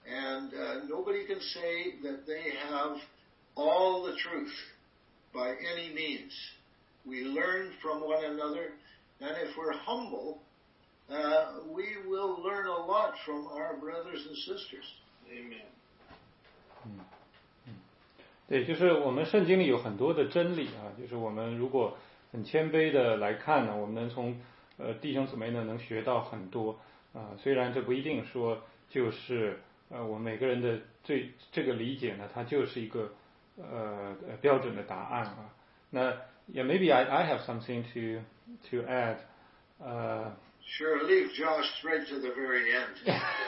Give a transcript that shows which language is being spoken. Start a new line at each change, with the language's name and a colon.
English: And nobody can say that they have all the truth by any means. We learn from one another. And if we're humble, we will learn a lot from our brothers and sisters. Amen.
Chinese: 对，就是我们圣经里有很多的真理啊，就是我们如果很谦卑的来看呢，我们能从弟兄姊妹呢能学到很多啊，虽然这不一定说就是我们每个人的这个理解呢，它就是一个标准的答案啊。
English: 那 yeah, maybe I have something to add. Sure, leave Josh straight to the very end.